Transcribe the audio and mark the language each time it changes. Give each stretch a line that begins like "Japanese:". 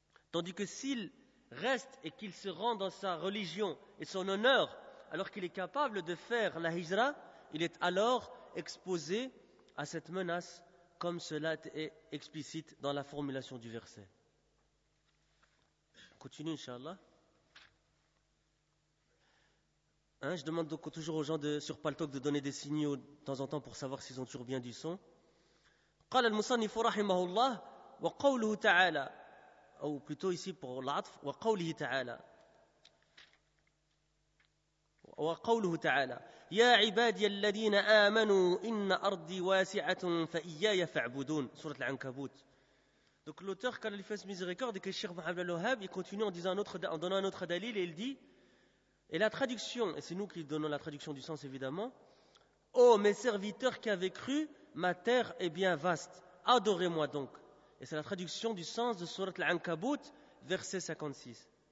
French: Tandis que s'il reste et qu'il se rend dans sa religion et son honneur, alors qu'il est capable de faire la hijra, il est alors exposé à cette menace, comme cela est explicite dans la formulation du verset. On continue, Inch'Allah. Je demande donc toujours aux gens sur Paltalk de donner des signaux de temps en temps pour savoir s'ils ont toujours bien du son.
Arabic: قال المصنف رحمه الله وقوله تعالى أو
French: plutôt ici pour
Arabic: العطف وقوله تعالى وقوله تعالى يا عبادي الذين آمنوا إن أرضي واسعة فإياي فاعبدون سورة العنكبوت.
French: Donc l'auteur quand il fait ce miséricorde que Cheikh Mohamed Al-Wahhab, il continue en disant en donnant un autre dalil, et il dit, et la traduction, et c'est nous qui donnons la traduction du sens évidemment, oh mes serviteurs qui avaient cru, ma terre est bien vaste, adorez-moi donc. Et c'est la traduction du sens de Surat Al-Ankabut, verset 56.